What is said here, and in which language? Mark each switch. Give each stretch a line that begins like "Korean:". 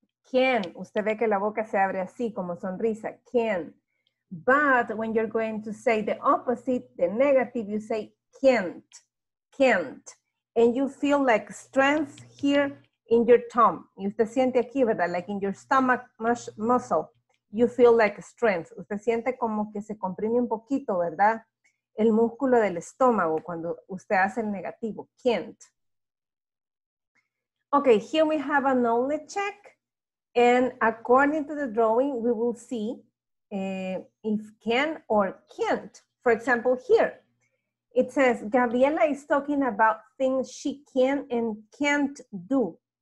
Spanish: Can, usted ve que la boca se abre así como sonrisa, can.
English: But when you're going to say the opposite, the negative, you say, can't, can't. And you feel like strength here in your tongue.
Spanish: Usted siente aquí, ¿verdad?
English: Like in your stomach muscle. You feel like strength.
Spanish: Usted siente como que se comprime un poquito, ¿verdad? El músculo del estómago cuando usted hace el negativo.
English: Can't. Okay, here we have a knowledge check. And according to the drawing, we will see if can or can't. For example, here. It says, Gabriela is talking about things she can and can't do.